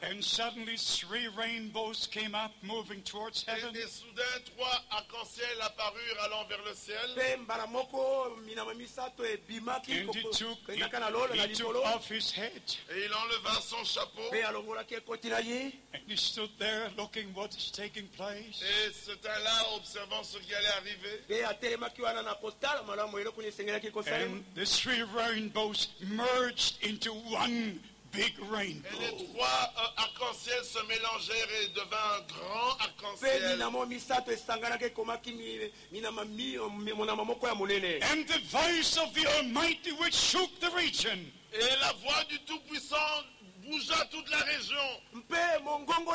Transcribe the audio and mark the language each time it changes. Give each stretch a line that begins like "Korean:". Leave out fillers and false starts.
English: And suddenly three rainbows came up moving towards heaven.
French: Et soudain trois arcs-en-ciel apparurent allant vers le ciel.
English: And he took off his head.
French: Et il enleva son chapeau.
English: And he stood there looking what is taking place.
French: Et ce temps-là, observant ce qui allait arriver.
English: And the three rainbows merged into one big rainbow.
French: Et les trois arcs-en-ciel se mélangèrent et devint un grand arc-en-ciel.
English: And the voice of the Almighty which shook the region.
French: Et la voix du Tout-Puissant bougea toute la région.